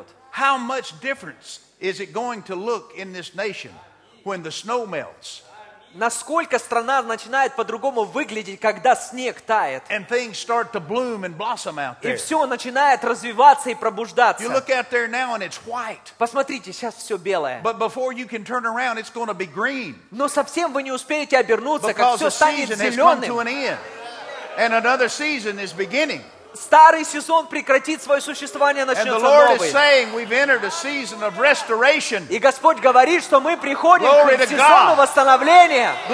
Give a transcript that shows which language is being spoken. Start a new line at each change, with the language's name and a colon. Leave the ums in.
English: how much difference is it going to look in this nation when the snow melts?
Russian: Насколько страна начинает по-другому выглядеть, когда снег тает.
English: Start to bloom and blossom out there.
Russian: И все начинает развиваться и пробуждаться.
English: You look out there now and it's white.
Russian: Посмотрите, сейчас все белое.
English: But before you can turn around, it's going to be green.
Russian: Но совсем вы не успеете обернуться, Because как все станет зеленым.
English: And another season is beginning.
Russian: старый сезон прекратит свое существование, начнется новый. И Господь говорит, что мы приходим Glory к сезону восстановления.